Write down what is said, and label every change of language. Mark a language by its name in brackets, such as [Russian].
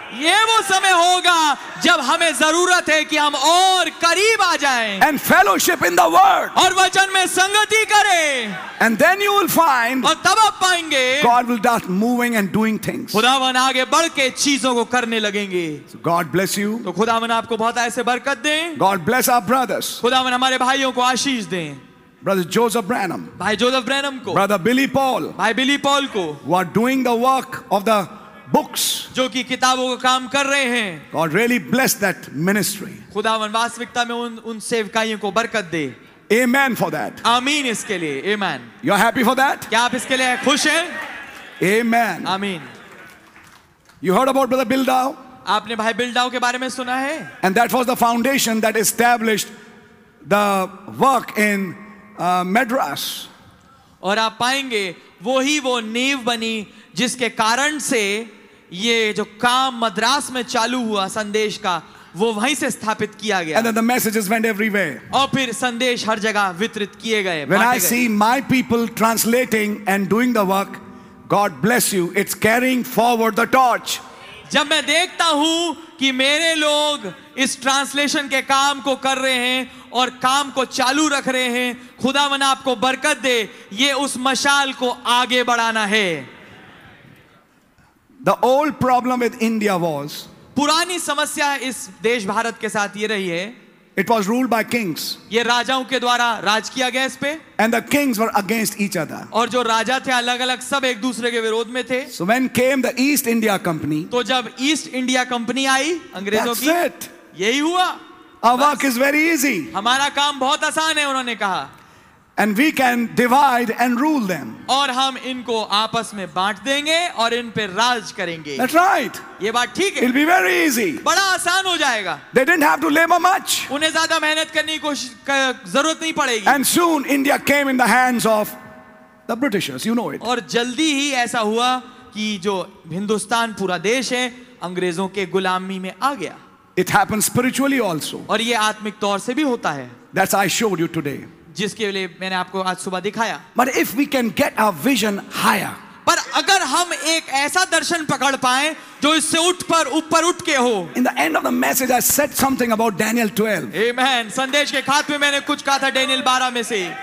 [Hindi] ये वो समय होगा जब हमें जरूरत है कि हम और करीब आ जाएं. [English] And fellowship in the word. [Hindi] और वचन में संगति करें. [English] And then you will find. [Hindi] और तब आप पाएंगे. [English] God will start moving and doing things. [Hindi] खुदावन आगे बढ़ के चीजों को करने लगेंगे. [English] So God bless you. [Hindi] तो खुदावन आपको बहुत ऐसे बरकत दें. [English] God bless our brothers. [Hindi] खुदावन हमारे भाइयों को आशीष दें. [English] Brother Joseph Branham. [Hindi] भाई जोसेफ ब्रैनम को. [English] Brother Billy Paul. [Hindi] भाई बिली पॉल को. [English] Who are doing the work of the books. [Hindi] जो कि किताबों का काम कर रहे हैं. [English] God really bless that ministry. [Hindi] खुदावन वास्तविकता में उन सेवकाइयों को बरकत दे. [English] Amen for that. [Hindi] आमीन इसके लिए. Amen. [English] You are happy for that? [Hindi] क्या आप इसके लिए खुश हैं? [English] Amen. [Hindi] आमीन. [English] You heard about Brother Bildao? [Hindi] आपने भाई बिल्डाओ के बारे में सुना है? [English] And that was the foundation that established the work in Madras. [Hindi] और आप पाएंगे वही वो नींव बनी जिसके कारण से ये जो काम मद्रास में चालू हुआ संदेश का वो वहीं से स्थापित किया गया. [English] And then the messages went everywhere. [Hindi] और फिर संदेश हर जगह वितरित किए गए. [English] When I see my people translating and doing the work, God bless you. It's carrying forward the torch. [Hindi] जब मैं देखता हूं कि मेरे लोग इस ट्रांसलेशन के काम को कर रहे हैं और काम को चालू रख रहे हैं, खुदावन आपको बरकत दे, ये उस मशाल को आगे बढ़ाना है. [English] The old problem with India was. [Hindi] पुरानी समस्या इस देश भारत के साथ ये रही है. [English] It was ruled by kings. [Hindi] ये राजाओं के द्वारा राज किया गया इस पे. [English] And the kings were against each other. [Hindi] और जो राजा थे अलग-अलग सब एक दूसरे के विरोध में थे. [English] So when came the East India Company. [Hindi] तो जब East India Company आई अंग्रेजों की. [English] That's it. [Hindi] यही हुआ. [English] Our work is very easy. [Hindi] हमारा काम बहुत आसान है उन्होंने कहा. [English] And we can divide and rule them. [Hindi] और हम इनको आपस में बांट देंगे और इन पे राज करेंगे. [English] That's right. [Hindi] ये बात ठीक है. [English] It'll be very easy. [Hindi] बड़ा आसान हो जाएगा. [English] They didn't have to labor much. [Hindi] उन्हें ज़्यादा मेहनत करने की कोशिश ज़रूरत नहीं पड़ेगी. [English] And soon India came in the hands of the Britishers. You know it. [Hindi] और जल्दी ही ऐसा हुआ कि जो हिंदुस्तान पूरा देश है अंग्रेजों के गुलामी में आ गया. [English] It happens spiritually also. [Hindi] और ये आत्मिक तौर से भी होता है. [English] That's I showed you today. [Hindi] जिसके लिए मैंने आपको आज सुबह दिखाया. [English] But if we can get our vision higher, [Hindi] पर अगर हम एक ऐसा दर्शन पकड़ पाए जो इससे उठ पर ऊपर उठ के हो. [English] In the end of the message, I said something about Daniel 12. Amen. [Hindi] संदेश के खात्मे में मैंने कुछ कहा था डेनियल 12 में से.